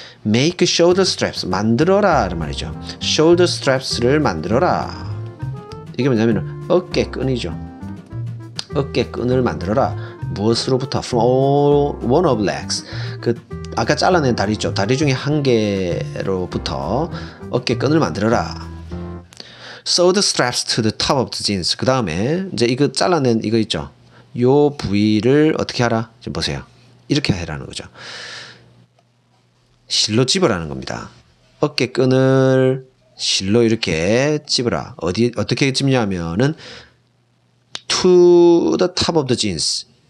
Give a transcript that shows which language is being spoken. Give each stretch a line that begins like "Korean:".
English: make shoulder straps
Korean: 만들어라 라는 말이죠.
English: shoulder straps를 만들어라.
Korean: 이게 뭐냐면 어깨끈이죠. 어깨끈을 만들어라. 무엇으로부터?
English: from one of legs.
Korean: 그 아까 잘라낸 다리 있죠. 다리 중에 한 개로부터 어깨끈을 만들어라.
English: sew the straps to the top of the jeans.
Korean: 그 다음에 이제 이거 잘라낸 이거 있죠. 요 부위를 어떻게 하라? 지금 보세요. 이렇게 하라는 거죠. 실로 집으라는 겁니다. 어깨끈을 실로 이렇게 집으라. 어떻게 집냐면은
English: to the top of the jeans.